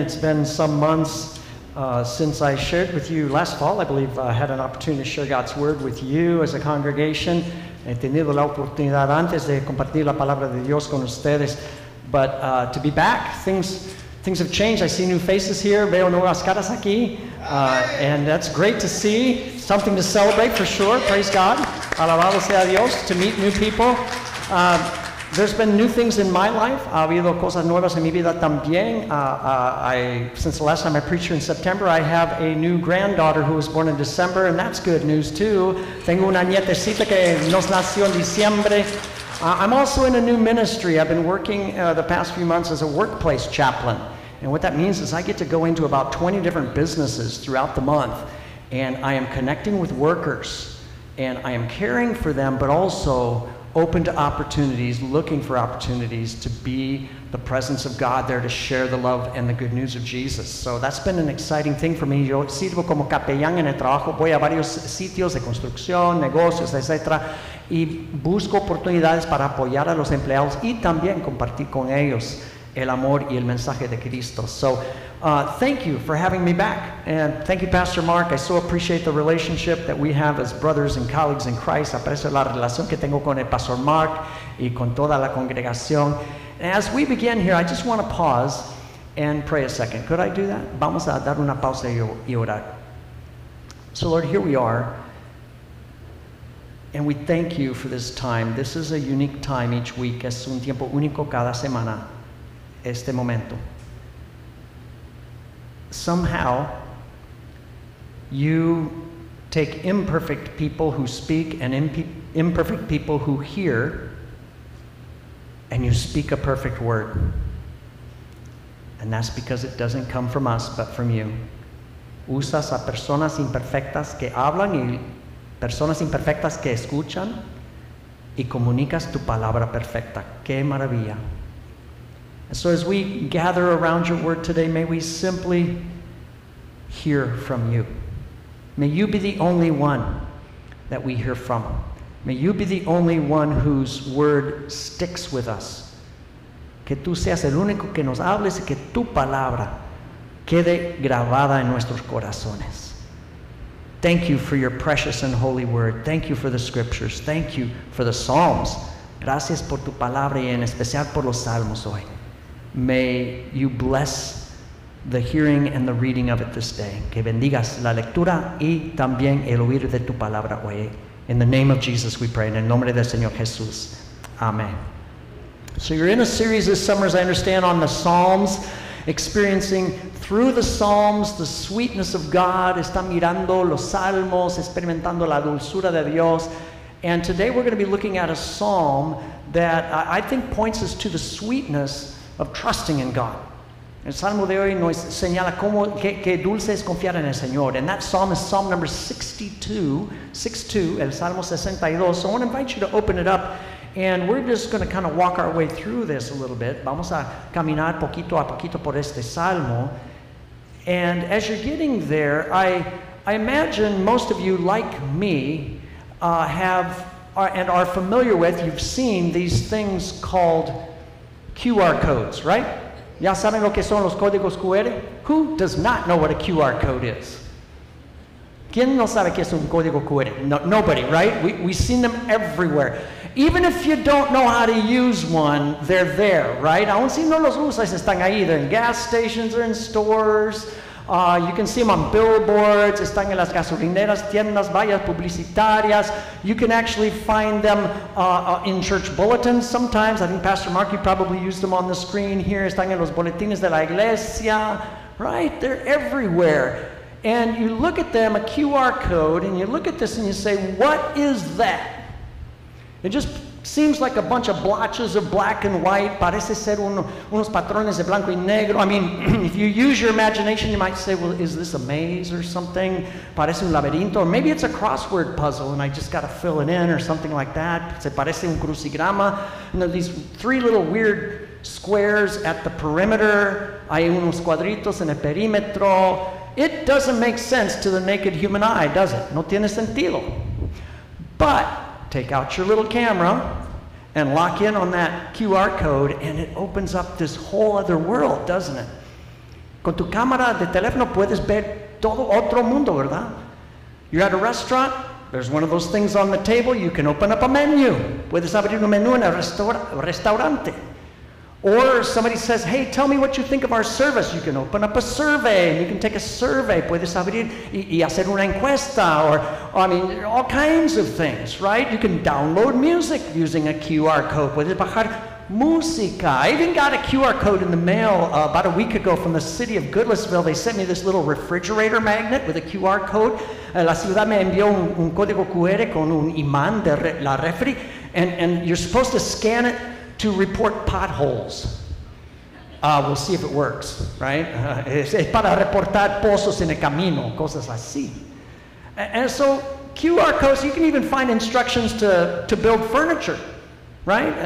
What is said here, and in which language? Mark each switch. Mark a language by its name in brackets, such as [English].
[English] It's been some months since I shared with you last fall. I believe I had an opportunity to share God's word with you as a congregation. [Spanish] He tenido la oportunidad antes de compartir la palabra de Dios con ustedes. [English] But to be back, things have changed. I see new faces here. [Spanish] Veo nuevas caras aquí. [English] And that's great to see. Something to celebrate for sure. Praise God. [Spanish] Alabado sea Dios. [English] To meet new people. There's been new things in my life. [Spanish] Ha habido cosas nuevas en mi vida también. [English] Since the last time I preached here in September, I have a new granddaughter who was born in December, and that's good news too. [Spanish] Tengo una nietecita que nos nació en diciembre. [English] I'm also in a new ministry. I've been working the past few months as a workplace chaplain. And what that means is I get to go into about 20 different businesses throughout the month, and I am connecting with workers, and I am caring for them, but also open to opportunities, looking for opportunities to be the presence of God there to share the love and the good news of Jesus. So that's been an exciting thing for me. [Spanish] Yo sirvo como capellán en el trabajo. Voy a varios sitios de construcción, negocios, etc. Y busco oportunidades para apoyar a los empleados y también compartir con ellos el amor y el mensaje de Cristo. [English] So thank you for having me back. And thank you, Pastor Mark. I so appreciate the relationship that we have as brothers and colleagues in Christ. [Spanish] Aprecio la relación que tengo con el Pastor Mark y con toda la congregación. [English] And as we begin here, I just want to pause and pray a second. Could I do that? [Spanish] Vamos a dar una pausa y orar. [English] So Lord, here we are. And we thank you for this time. This is a unique time each week. [Spanish] Es un tiempo único cada semana. Este momento. [English] Somehow, you take imperfect people who speak and imperfect people who hear, and you speak a perfect word. And that's because it doesn't come from us, but from you. [Spanish] Usas a personas imperfectas que hablan y personas imperfectas que escuchan y comunicas tu palabra perfecta. Qué maravilla. [English] And so as we gather around your word today, may we simply hear from you. May you be the only one that we hear from. May you be the only one whose word sticks with us. [Spanish] Que tú seas el único que nos hables y que tu palabra quede grabada en nuestros corazones. [English] Thank you for your precious and holy word. Thank you for the scriptures. Thank you for the psalms. [Spanish] Gracias por tu palabra y en especial por los salmos hoy. [English] May you bless the hearing and the reading of it this day. [Spanish] Que bendigas la lectura y también el oír de tu palabra hoy. [English] In the name of Jesus we pray, [Spanish] en el nombre del Señor Jesús. [English] Amen. So you're in a series this summer, as I understand, on the Psalms, experiencing through the Psalms the sweetness of God. [Spanish] Está mirando los Salmos, experimentando la dulzura de Dios. [English] And today we're going to be looking at a Psalm that I think points us to the sweetness of trusting in God. [Spanish] El Salmo de hoy nos señala cómo qué dulce es confiar en el Señor. [English] And that Psalm is Psalm number 62, [Spanish] el Salmo 62. [English] So I want to invite you to open it up, and we're just going to kind of walk our way through this a little bit. [Spanish] Vamos a caminar poquito a poquito por este Salmo. [English] And as you're getting there, I imagine most of you, like me, are familiar with, you've seen these things called QR codes, right? [Spanish] ¿Ya saben lo que son los códigos QR? [English] Who does not know what a QR code is? [Spanish] ¿Quién no sabe qué es un código QR? [English] No, nobody, right? We've seen them everywhere. Even if you don't know how to use one, they're there, right? [Spanish] Aún si no los usas, están ahí. [English] They're in gas stations or in stores. You can see them on billboards. [Spanish] Están en las gasolineras, tiendas, vallas publicitarias. [English] You can actually find them in church bulletins sometimes. I think Pastor Mark, you probably used them on the screen here. [Spanish] Están en los boletines de la iglesia. [English] Right? They're everywhere. And you look at them, a QR code, and you look at this and you say, what is that? It just seems like a bunch of blotches of black and white. [Spanish] Parece ser unos patrones de blanco y negro. [English] I mean, if you use your imagination, you might say, well, is this a maze or something? [Spanish] Parece un laberinto. [English] Or maybe it's a crossword puzzle and I just got to fill it in or something like that. [Spanish] Se parece un crucigrama. [English] You know, these three little weird squares at the perimeter. [Spanish] Hay unos cuadritos en el perímetro. [English] It doesn't make sense to the naked human eye, does it? [Spanish] No tiene sentido. [English] But take out your little camera and lock in on that QR code, and it opens up this whole other world, doesn't it? [Spanish] Con tu cámara de teléfono puedes ver todo otro mundo, ¿verdad? [English] You're at a restaurant, there's one of those things on the table, you can open up a menu. [Spanish] Puedes abrir un menú en el restaurante. [English] Or somebody says, hey, tell me what you think of our service. You can open up a survey, and you can take a survey. [Spanish] Puedes abrir y hacer una encuesta, or [English] all kinds of things, right? You can download music using a QR code. [Spanish] Puedes bajar música. [English] I even got a QR code in the mail about a week ago from the city of Goodlettsville. They sent me this little refrigerator magnet with a QR code. [Spanish] La ciudad me envió un código QR con un imán de la refri, [English] and you're supposed to scan it to report potholes. We'll see if it works, right? [Spanish] Es para reportar pozos en el camino, cosas así. [English] And so QR codes, you can even find instructions to build furniture, right?